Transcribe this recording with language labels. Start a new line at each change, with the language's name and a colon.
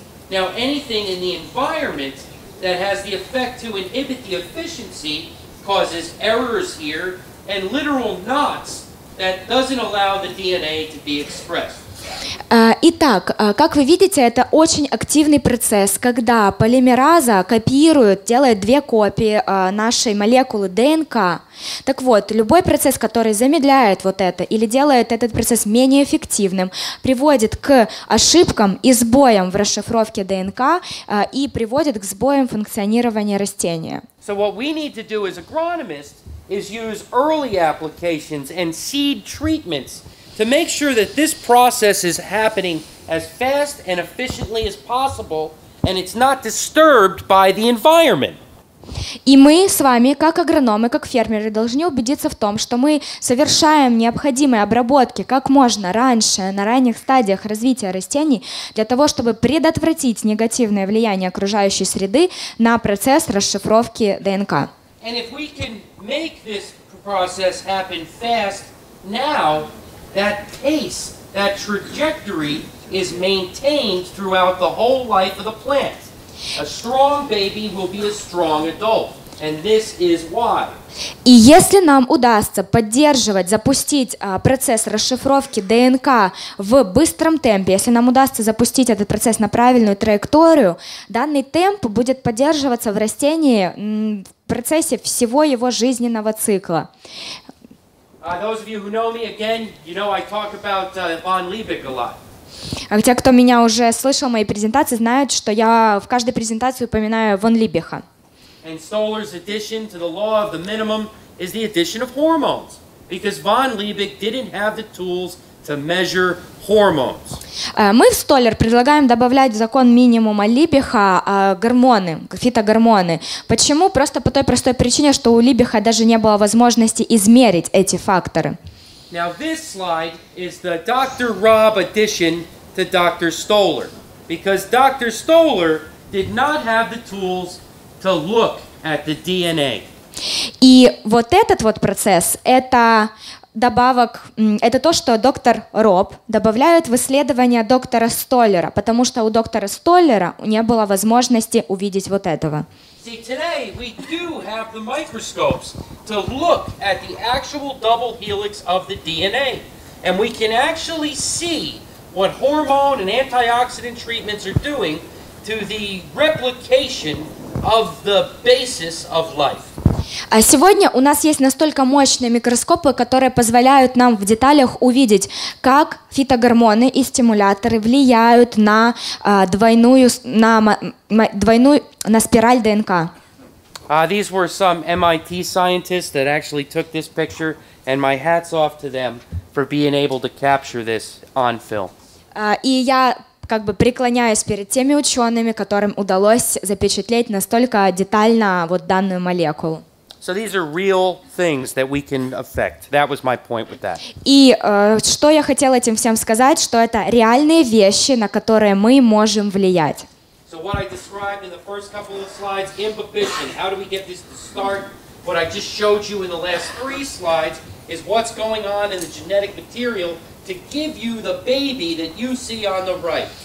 English: Now, anything in the environment that has the effect to inhibit the efficiency causes errors here and literal knots that doesn't allow the DNA to be expressed.
Russian: Итак, как вы видите, это очень активный процесс, когда полимераза копирует, делает две копии нашей молекулы ДНК. Так вот, любой процесс, который замедляет вот это или делает этот процесс менее эффективным, приводит к ошибкам и сбоям в расшифровке ДНК и приводит к сбоям функционирования растения.
English: So what we need to do as agronomists is use early applications and seed treatments to make sure that this process is happening as fast and efficiently as possible, and it's not disturbed by the environment.
Russian: И мы с вами, как агрономы, как фермеры, должны убедиться в том, что мы совершаем необходимые обработки как можно раньше, на ранних стадиях развития растений, для того, чтобы предотвратить негативное влияние окружающей среды на процесс расшифровки ДНК.
English: And if we can make this process happen fast now, that pace, that trajectory is maintained throughout the whole life of the plant. A strong baby will be a strong adult, and this is why.
Russian: И если нам удастся поддерживать, запустить процесс расшифровки ДНК в быстром темпе, если нам удастся запустить этот процесс на правильную траекторию, данный темп будет поддерживаться в растении в процессе всего его жизненного цикла.
English: Those of you who know me, again, you know I talk about von Liebig a lot.
Russian: Хотя кто меня уже слышал мои презентации, знают, что я в каждой презентации упоминаю von Liebig.
English: And Stoller's addition to the law of the minimum is the addition of hormones, because von Liebig didn't have the tools to measure hormones.
Russian: Мы в Столлер предлагаем добавлять в закон минимума Либиха гормоны, фитогормоны. Почему? Просто по той простой причине, что у Либиха даже не было возможности измерить эти факторы.
English: Now this slide is the Dr. Rob addition to Dr. Stoller, because Dr. Stoller did not have the tools to look at the DNA.
Russian: И вот этот вот процесс, это добавок, это то, что доктор Роб добавляет в исследование доктора Столлера, потому что у доктора Столлера не было возможности увидеть вот этого.
English: See, today we do have the microscopes to look at the actual double helix of the DNA. And we can actually see what hormone and antioxidant treatments are doing to the replication of the basis of life.
Russian: А сегодня у нас есть настолько мощные микроскопы, которые позволяют нам в деталях увидеть, как фитогормоны и стимуляторы влияют на двойную спираль ДНК.
English: These were some MIT scientists that actually took this picture, and my hats off to them for being able to capture this on film.
Russian: И я как бы преклоняюсь перед теми учеными, которым удалось запечатлеть настолько детально вот данную молекулу.
English: So these are real things that we can affect. That was my point with that.
Russian: И что я хотел этим всем сказать, что это реальные вещи, на которые мы можем влиять.
English: So what I described in the first couple of slides, inhibition, how do we get this to start? What I just showed you in the last three slides is what's going on in the genetic material to give you the baby that you see on the right.